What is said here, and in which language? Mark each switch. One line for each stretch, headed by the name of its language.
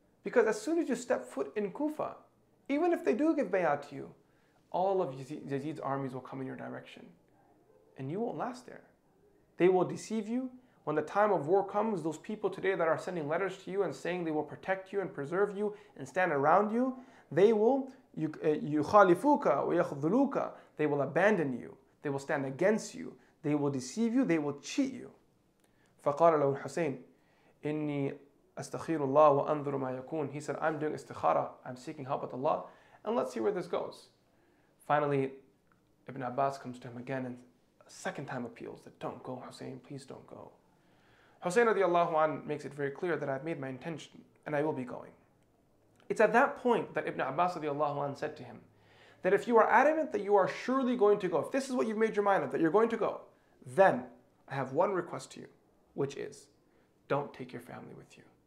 English: Because as soon as you step foot in Kufa, even if they do give bayat to you, all of Yazid's armies will come in your direction. And you won't last there. They will deceive you. When the time of war comes, those people today that are sending letters to you and saying they will protect you and preserve you and stand around you, they will
Arabic: يُخَالِفُوكَ وَيَخْذُلُوكَ,
English: they will abandon you. They will stand against you. They will deceive you. They will cheat you.
Arabic: فَقَالَ لَهُ الْحُسَيْنِ إِنِّي أَسْتَخِيرُ اللَّهُ وَأَنْظُرُ مَا يَكُونَ,
English: he said, I'm doing istikhara. I'm seeking help with Allah. And let's see where this goes. Finally, Ibn Abbas comes to him again and second time appeals that don't go, Hussein, please don't go. Hussein radiallahu anh makes it very clear that I've made my intention and I will be going. It's at that point that Ibn Abbas radiallahu anh said to him that if you are adamant that you are surely going to go, if this is what you've made your mind of, that you're going to go, then I have one request to you, which is don't take your family with you.